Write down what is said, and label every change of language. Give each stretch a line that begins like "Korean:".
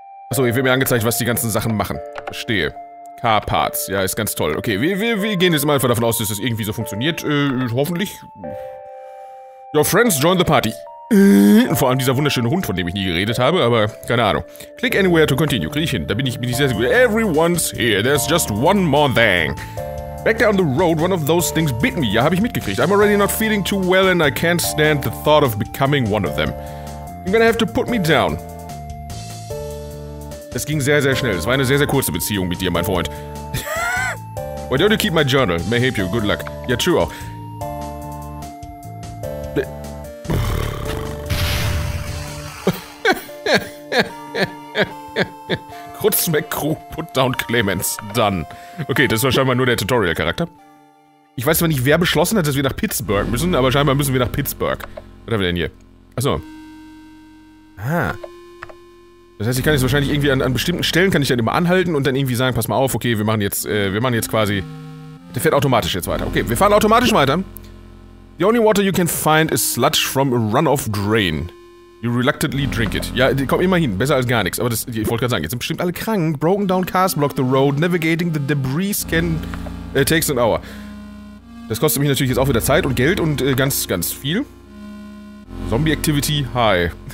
German: Achso, hier wird mir angezeigt, was die ganzen Sachen machen. Verstehe. Car-Parts, ja, ist ganz toll. Okay, wir gehen jetzt mal einfach davon aus, dass das irgendwie so funktioniert. Hoffentlich.
English: Your friends join the party.
German: Vor allem dieser wunderschöne Hund, von dem ich nie geredet habe, aber keine Ahnung.
English: Click anywhere to continue.
German: Kriege ich hin. Da bin ich sehr, sehr gut.
English: Everyone's here. There's just one more thing. Back down the road, one of those things bit me.
German: Ja, habe ich mitgekriegt.
English: I'm already not feeling too well and I can't stand the thought of becoming one of them. You're gonna have to put me down.
German: Es ging sehr, sehr schnell. Es war eine sehr, sehr kurze Beziehung mit dir, mein Freund.
English: Why don't you keep my journal? May help you. Good luck.
German: Ja, true auch.
English: Krutzmeck-Crew, put down Clemens, done.
German: Okay, das war scheinbar nur der Tutorial-Charakter. Ich weiß zwar nicht, wer beschlossen hat, dass wir nach Pittsburgh müssen, aber scheinbar müssen wir nach Pittsburgh. Was haben wir denn hier? Achso. Ah. Das heißt, ich kann jetzt wahrscheinlich irgendwie an bestimmten Stellen kann ich dann immer anhalten und dann irgendwie sagen, pass mal auf, okay, wir machen jetzt quasi... Der fährt automatisch jetzt weiter. Okay, wir fahren automatisch weiter.
English: The only water you can find is sludge from a runoff drain. You reluctantly drink it.
German: Ja, komm immerhin. Besser als gar nichts. Aber das, ich wollte gerade sagen, jetzt sind bestimmt alle krank.
English: Broken down cars block the road. Navigating the debris can... takes an hour.
German: Das kostet mich natürlich jetzt auch wieder Zeit und Geld und ganz, ganz viel.
English: Zombie Activity high.